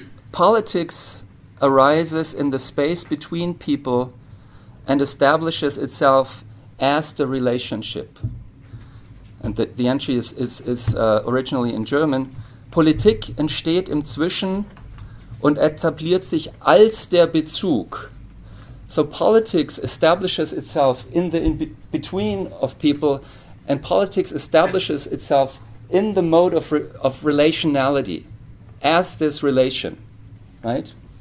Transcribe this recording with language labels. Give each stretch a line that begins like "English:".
English: Politics arises in the space between people and establishes itself as the relationship. And the entry is originally in German.
German: Politik entsteht im Zwischen und etabliert sich als der Bezug.
English: So politics establishes itself in the in between of people, and politics establishes itself in the mode of relationality, as this relation, right?